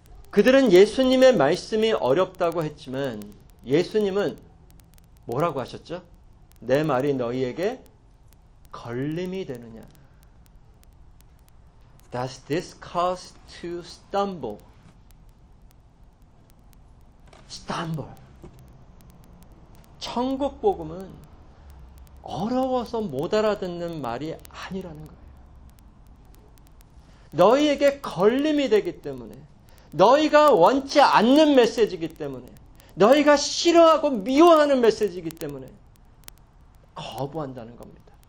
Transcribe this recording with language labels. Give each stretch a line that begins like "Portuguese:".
Korean: 그들은 예수님의 말씀이 어렵다고 했지만 예수님은 뭐라고 하셨죠? 내 말이 너희에게 걸림이 되느냐.
English: Does this cause to stumble? Stumble.
Korean: 천국 복음은 어려워서 못 알아듣는 말이 아니라는 거예요. 너희에게 걸림이 되기 때문에, 너희가 원치 않는 메시지이기 때문에, 너희가 싫어하고 미워하는 메시지이기 때문에 거부한다는 겁니다.